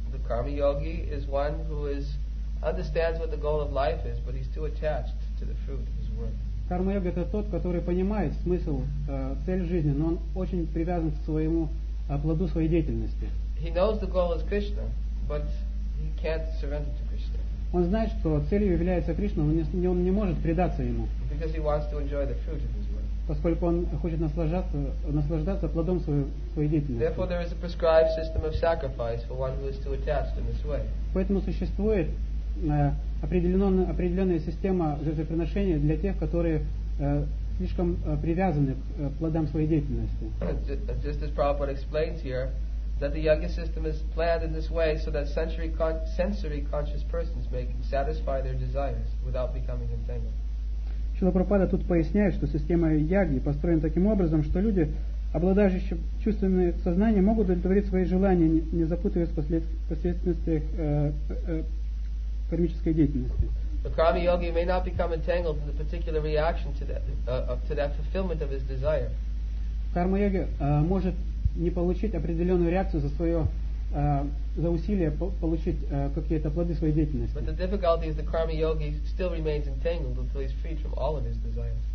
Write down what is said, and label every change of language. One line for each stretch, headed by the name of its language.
English: The karma yogi is one who is understands what the goal of life is, but he's too attached to the fruit of his work.
Russian: Карма йога — это тот, который понимает смысл, цель жизни, но он очень привязан к своему плоду своей деятельности.
English: He knows the goal is Krishna, but he can't surrender to Krishna.
Russian: Он знает, что целью является Кришна, но он не может предаться ему.
English: Because he wants to enjoy the fruit of his work.
Russian: Поскольку он хочет наслаждаться плодом своей деятельности.
English: Therefore, there is a prescribed system of sacrifice for one who is too attached in this way.
Russian: Поэтому существует определенная система жертвоприношения для тех, которые слишком привязаны к плодам своей деятельности.
English: Just as Prabhupada explains here, that the yoga system is planned in this way so that sensory conscious persons may satisfy their desires without becoming entangled.
Russian: Шрила Прабхупада тут поясняет, что система яги построена таким образом, что люди, обладающие чувственным сознанием, могут удовлетворить свои желания, не запутываясь в последствиях кармической деятельности.
English: The karma yogi may not become entangled in the particular reaction to that fulfillment of his desire.
Russian: Карма йоги может не получить определенную реакцию за свое за усилие получить какие-то плоды своей деятельности.
English: But the difficulty is the karma yogi still remains entangled until he's freed from all of his desires.